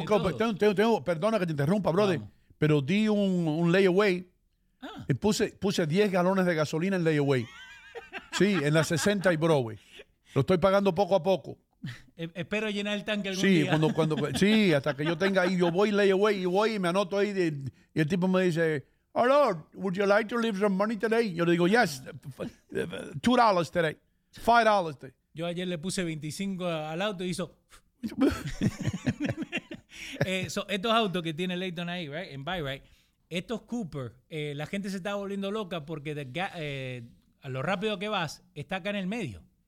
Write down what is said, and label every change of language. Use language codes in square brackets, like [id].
[es] Ah, tengo, perdona que te interrumpa, brother. Vamos. Pero di un layaway. Ah. Y puse 10 galones de gasolina en layaway. Sí, en la 60 y Broadway. Lo estoy pagando poco a poco. Espero llenar el tanque algún día. Cuando, sí, hasta que yo tenga ahí, yo voy layaway y voy y me anoto ahí. Y el tipo me dice, [en] hello, would you like to leave some money today? [es] Yo le digo, [en] yes, $2 today, $5 today. [es] Yo ayer le puse 25 al auto y hizo... estos autos que tiene Leighton ahí, right, en Buy, right, estos Cooper, la gente se está volviendo loca porque a lo rápido que vas, está acá en el medio.